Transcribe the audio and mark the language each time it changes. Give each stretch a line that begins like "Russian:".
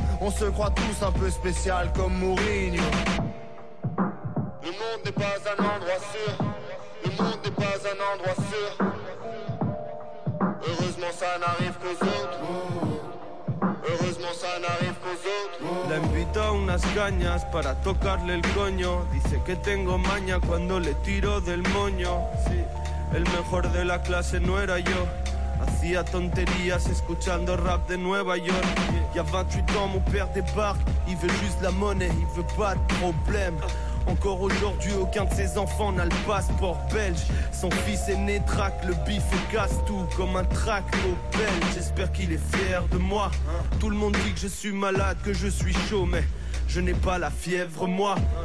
French: On se croit tous un peu spécial comme Mourinho. Le monde n'est pas un endroit sûr. Le monde n'est pas un endroit sûr. Heureusement ça n'arrive qu'aux autres. Heureusement ça n'arrive qu'aux autres.
Spanish: La invito a unas cañas para tocarle el coño. Dice que tengo maña cuando le tiro del moño. El mejor de la clase no era yo. Hacía tonterías escuchando rap de Nueva York.
French: Y'a 28 ans, mon père débarque. Il veut juste la monnaie, il veut pas de problème. Encore aujourd'hui, aucun de ses enfants n'a le passeport belge. Son fils est né traque, le bif et casse tout comme un tracto belge. J'espère qu'il est fier de moi. Tout le monde dit que je suis malade, que je suis chaud, mais je n'ai pas la fièvre, moi.